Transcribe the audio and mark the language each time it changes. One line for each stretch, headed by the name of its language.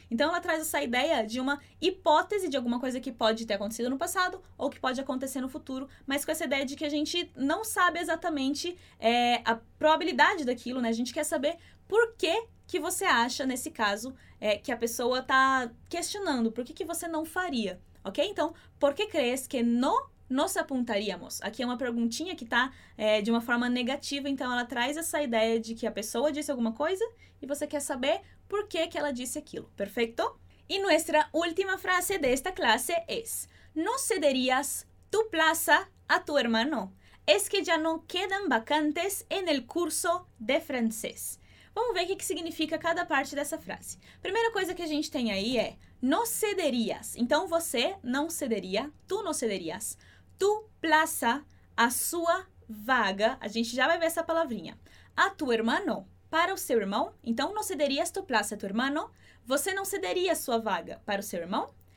Portuguese: Então ela traz essa ideia de uma hipótese de alguma coisa que pode ter acontecido no passado ou que pode acontecer no futuro, mas com essa ideia de que a gente não sabe exatamente a probabilidade daquilo, né? A gente quer saber por que que você acha, nesse caso, que a pessoa está questionando, por que que você não faria, ok?
Spanish: Então, por que crees que no nos apuntaríamos?
Portuguese: Aqui é uma perguntinha que está de uma forma negativa, então ela traz essa ideia de que a pessoa disse alguma coisa e você quer saber por que que ela disse aquilo, perfeito?
Spanish: E nuestra última frase
Portuguese: desta classe é:
Spanish: no cederías tu plaza a tu hermano, es que ya no quedan vacantes en el curso de francés.
Portuguese: Vamos ver o que significa cada parte dessa frase. Primeira coisa que a gente tem aí é no cederias. Então, você não cederia, tu não cederias.
Spanish: Tu plaza
Portuguese: a sua vaga. A gente já vai ver essa palavrinha.
Spanish: A tu hermano,
Portuguese: para o seu irmão. Então,
Spanish: no cederias tu plaza a tu hermano.
Portuguese: Você não cederia a sua vaga para o seu irmão.